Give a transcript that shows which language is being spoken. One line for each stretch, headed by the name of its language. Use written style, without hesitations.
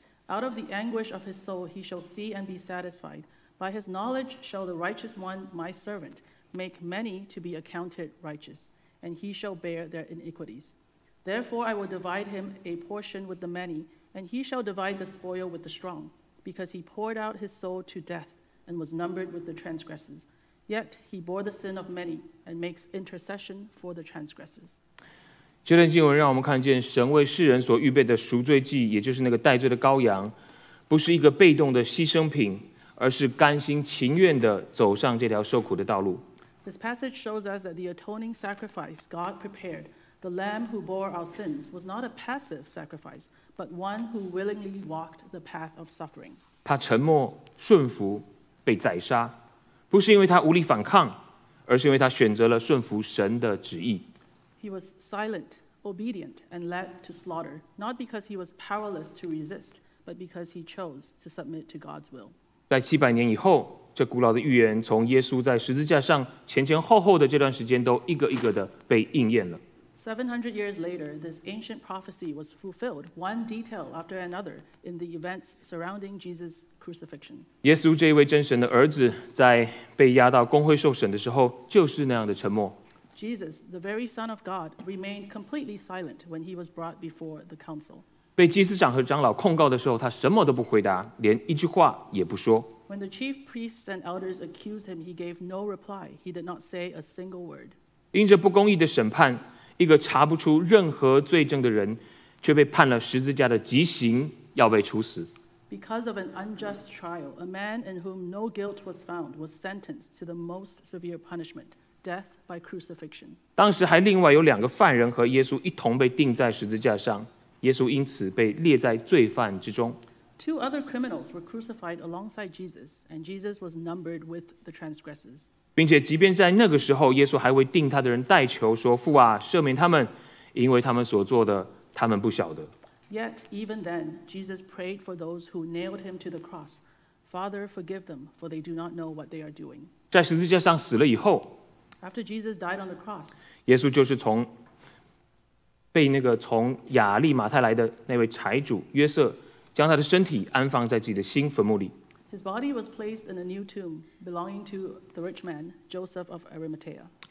English: Out of the anguish of his soul, he shall see and be satisfied. By his knowledge shall the righteous one, my servant, make many to be accounted righteous, and he shall bear their iniquities. Therefore, I will divide him a portion with the many, and he shall divide the spoil with the strong, because he poured out his soul to death and was numbered with the transgressors. Yet he bore the sin of many and makes intercession for the transgressors.
Chinese: 这段经文让我们看见神为世人所预备的赎罪祭，也就是那个代罪的羔羊，不是一个被动的牺牲品，而是甘心情愿地走上这条受苦的道路。
English: This passage shows us that the atoning sacrifice God prepared, the lamb who bore our sins, was not a passive sacrifice, but one who willingly walked the path of suffering.
Chinese: 他沉默顺服被宰杀，不是因为他无力反抗，而是因为他选择了顺服神的旨意。
English: He was silent, obedient, and led to slaughter, not because he was powerless to resist, but because he chose to submit to God's will.
Chinese: 在七百年以后，这古老的预言从耶稣在十字架上前前后后的这段时间都一个一个的被应验了。
English: 700 years later, this ancient prophecy was fulfilled, one detail after another, in the events surrounding Jesus' crucifixion.
Chinese: 耶稣这位真神的儿子在被押到公会受审的时候，就是那样的沉默。
English: Jesus, the very Son of God, remained completely silent when he was brought before the council.
Chinese: 被祭司长和长老控告的时候，他什么都不回答，连一句话也不说。
English: When the chief priests and elders accused him, he gave no reply. He did not say a single word.
Chinese: 因着不公义的审判，一个查不出任何罪证的人，却被判了十字架的极刑，要被处死。
English: Because of an unjust trial, a man in whom no guilt was found was sentenced to the most severe punishment. Death by crucifixion.
Chinese: 当时还另外有两个犯人和耶稣一同被钉在十字架上，耶稣因此被列在罪犯之中。
English: Two other criminals were crucified alongside Jesus, and Jesus was numbered with the transgressors.
Chinese: 并且即便在那个时候，耶稣还为钉他的人代求说：“父啊，赦免他们，因为他们所做的，他们不晓得。”
English: Yet even then, Jesus prayed for those who nailed him to the cross, "Father, forgive them, for they do not know what they are doing."
Chinese: 在十字架上死了以后。
English: After Jesus died on the cross,
Chinese: 耶稣就是从被那个从亚利马太来的那位财主约瑟将他的身体安放在自己的新坟墓里。
English: His body was placed in a new tomb belonging to the rich man Joseph of Arimathea.